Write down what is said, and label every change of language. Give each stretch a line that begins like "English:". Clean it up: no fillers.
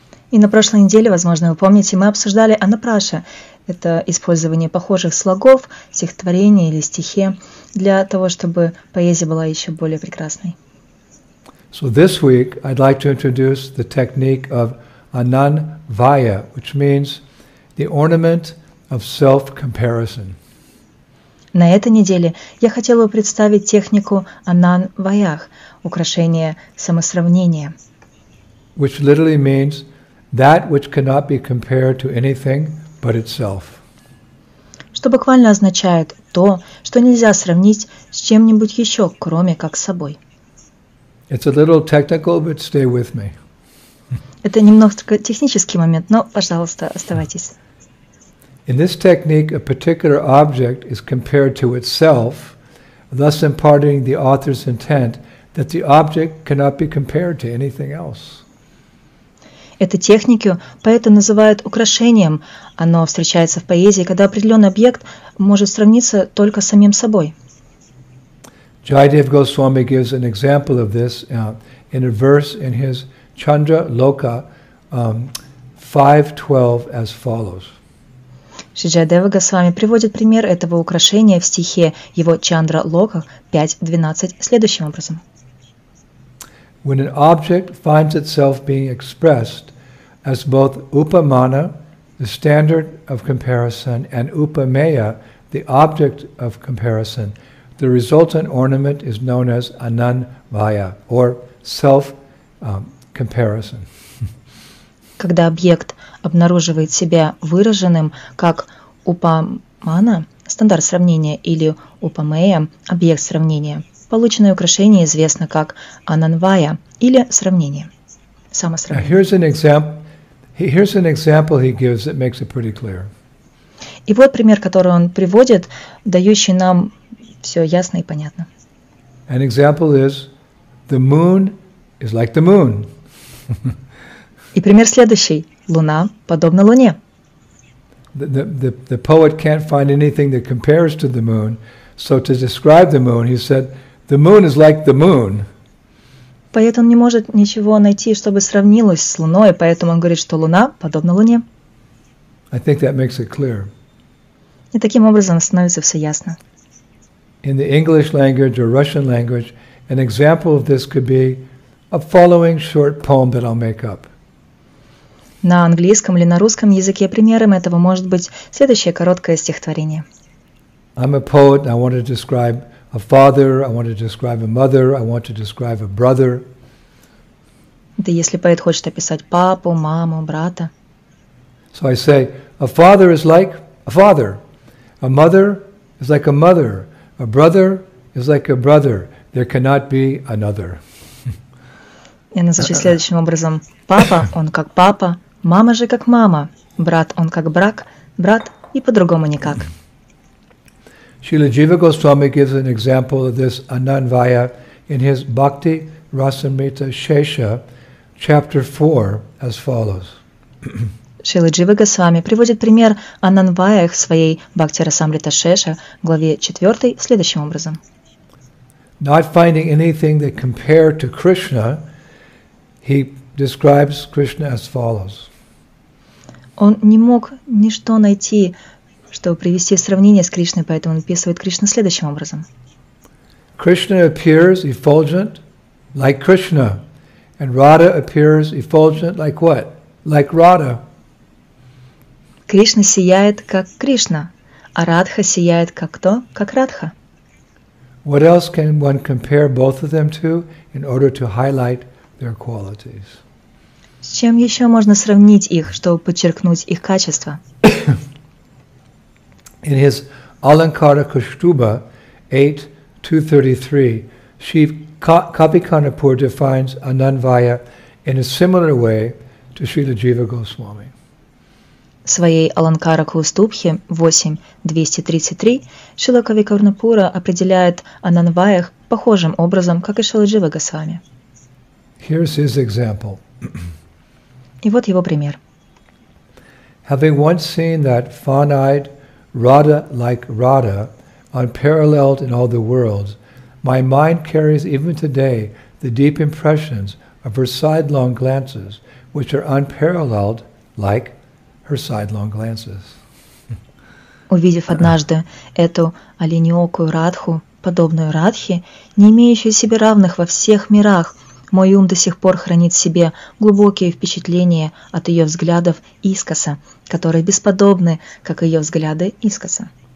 Russian: И на прошлой неделе, возможно, вы помните, мы обсуждали Анупраша. Это использование похожих слогов, стихотворения или стихе для того, чтобы поэзия была еще более прекрасной.
English: So this week I'd like to introduce the technique of ananvaya, which means the ornament of self-comparison.
Russian: На этой неделе я хотела представить технику ананваях, украшение самосравнения.
English: Which literally means that which cannot be compared to anything but itself.
Russian: что буквально означает то, что нельзя сравнить с чем-нибудь еще, кроме как с собой.
English: It's a little technical, but stay with me.
Russian: Это немножко технический момент, но, пожалуйста, оставайтесь.
English: In this technique, a particular object is compared to itself, thus imparting the author's intent that the object cannot be compared to anything else.
Russian: Эту технику поэты называют украшением. Оно встречается в поэзии, когда определенный объект может сравниться только с самим собой.
English: Jayadev Goswami gives an example of this in a verse in his Chandra Loka 5.12 as follows.
Russian: Шри Джайдева Госвами приводит пример этого украшения в стихе его Чандра Лока 5.12 следующим образом.
English: When an object finds itself being expressed as both upamana, the standard of comparison, and upameya, the object of comparison, the resultant ornament is known as ananvaya, or self-comparison.
Russian: Когда объект обнаруживает себя выраженным как упамана, стандарт сравнения, или упамея, объект сравнения, полученное украшение известно как ананвая, или сравнение, самосравнение.
English: Now here's an example. Here's an example he gives that makes it pretty clear.
Russian: И вот пример, который он приводит, дающий нам все ясно и понятно.
English: An example is the moon is like the moon.
Russian: И пример следующий: луна подобна луне.
English: The poet can't find anything that compares to the moon, so to describe the moon, he said, the moon is like the moon.
Russian: Поэт он не может ничего найти, чтобы сравнилось с луной, поэтому он говорит, что луна подобна луне.
English: I think that makes it clear.
Russian: И таким образом становится все ясно.
English: In the English language or Russian language, an example of this could be a following short poem that I'll make up.
Russian: На английском или на русском языке примером этого может быть следующее короткое стихотворение.
English: I'm a poet, I want to describe a father, I want to describe a mother, I want to describe a brother.
Russian: Да, если поэт хочет описать папу, маму, брата.
English: So I say, a father is like a father. A mother is like a mother. A brother is like a brother. There cannot be another.
Russian: Я назову следующим образом. Папа, он как папа. Мама же как мама. Брат, он как брак. Брат, и по-другому никак.
English: Srila Jiva Goswami gives an example of this ananvaya in his Bhakti Rasamrita Shesha, chapter 4, as follows.
Russian: Srila Jiva Goswami приводит пример ананвая в своей Бхакти Расамрита Шеша, главе 4, следующим образом.
English: Not finding anything that compared to Krishna, he describes Krishna as follows.
Russian: Он не мог ничто найти, чтобы привести в сравнение с Кришной, поэтому он описывает Кришну следующим образом.
English: Krishna appears effulgent like Krishna, and Radha appears effulgent like what? Like Radha.
Russian: Кришна сияет как Кришна, а Радха сияет как кто? Как Радха.
English: What else can one compare both of them to in order to highlight their qualities?
Russian: С чем еще можно сравнить их, чтобы подчеркнуть их качества?
English: In his Alankara Kushtuba 8.233, Shri Kavikarnapur defines Ananvaya in a similar way to Srila Jiva Goswami.
Russian: В своей Аланкара Кустубхе 8.233 Шрила Кавикарнапура определяет Ананвая похожим образом, как и Шрила Джива Госвами.
English: Here's his example.
Russian: И вот его пример.
English: Having once seen that fawn-eyed Radha like Radha, unparalleled in all the worlds, my mind carries even today the deep impressions of her sidelong glances, which are unparalleled like her sidelong glances.
Russian: Увидев однажды эту оленеокую Радху, подобную Радхе, не имеющую себе равных во всех мирах, мой ум до сих пор хранит в себе глубокие впечатления от ее взглядов искоса, которые бесподобны, как ее взгляды искоса.